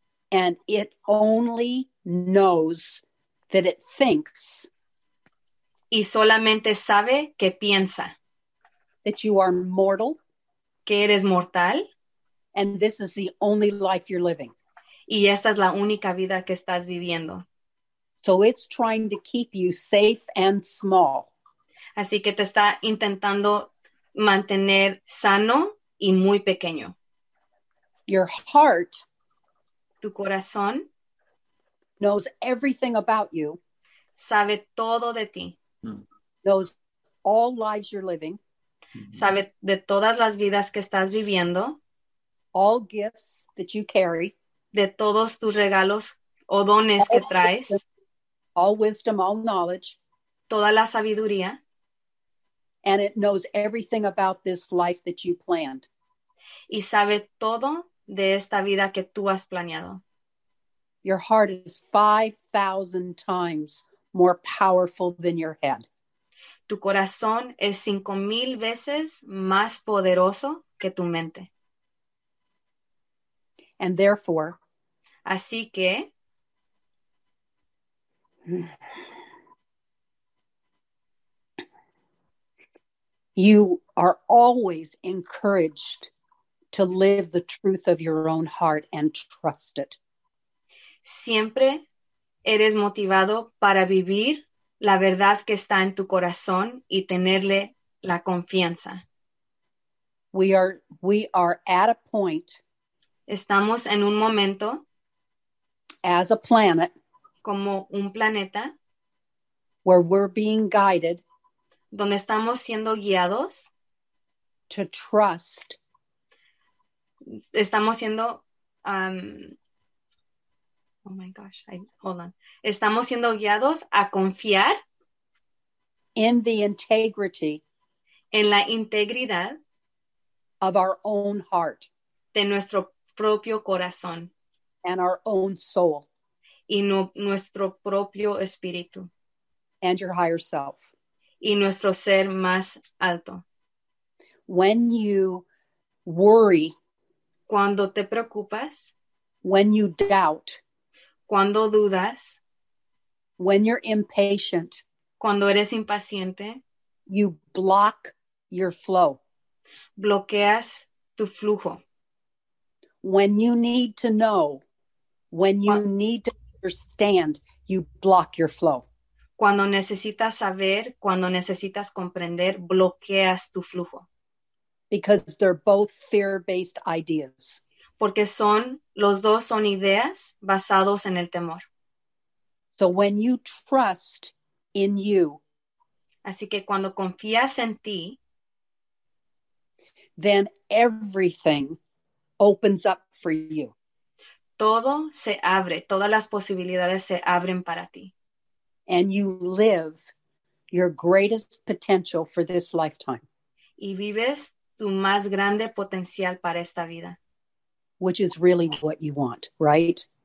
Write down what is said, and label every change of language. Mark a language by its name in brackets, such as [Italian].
[English] And it only knows that it thinks. [Spanish] Y solamente sabe que piensa. [English] That you are mortal. [Spanish] Que eres mortal. [English] And this is the only life you're living. [Spanish] Y esta es la única vida que estás viviendo. [English] So it's trying to keep you safe and small. [Spanish] Así que te está intentando mantener sano y muy pequeño. [English] Your heart. [Spanish] Tu corazón. [English] Knows everything about you. [Spanish] Sabe todo de ti. [English] Knows all lives you're living. [Spanish] Sabe de todas las vidas que estás viviendo. [English] All gifts that you carry. [Spanish] De todos tus regalos o dones [English] all [Spanish] que traes. [English] All wisdom, all knowledge. [Spanish] Toda la sabiduría. [English] And it knows everything about this life that you planned. [Spanish] Y sabe todo de esta vida que tú has planeado. [English] Your heart is 5,000 times more powerful than your head. [Spanish] Tu corazón es 5,000 veces más poderoso que tu mente. [English] And therefore, [Spanish] así que, [English] you are always encouraged to live the truth of your own heart and trust it. [Spanish] Siempre eres motivado para vivir la verdad que está en tu corazón y tenerle la confianza. [English] We are at a point. [Spanish] Estamos en un momento. [English] As a planet. [Spanish] Como un planeta. [English] Where we're being guided. [Spanish] Donde estamos siendo guiados. [English] To trust. [Spanish] Estamos siendo. [English] Oh my gosh, hold on. [Spanish] Estamos siendo guiados a confiar [English] in the integrity [Spanish] en la integridad [English] of our own heart [Spanish] de nuestro propio corazón [English] and our own soul [Spanish] y nuestro propio espíritu [English] and your higher self [Spanish] y nuestro ser más alto. [English] When you worry, [Spanish] cuando te preocupas, [English] when you doubt, [Spanish] cuando dudas, [English] when you're impatient, [Spanish] cuando eres impaciente, [English] you block your flow. [Spanish] Bloqueas tu flujo. [English] When you need to know, when you need to understand, you block your flow. [Spanish] Cuando necesitas saber, cuando necesitas comprender, bloqueas tu flujo. [English] Because they're both fear-based ideas. [Spanish] Porque son, los dos son ideas basados en el temor. [English] So when you trust in you, [Spanish] así que cuando confías en ti, [English] then everything opens up for you. [Spanish] Todo se abre, todas las posibilidades se abren para ti. [English] And you live your greatest potential for this lifetime. [Spanish] Y vives tu más grande potencial para esta vida. [English] Which is really what you want, right?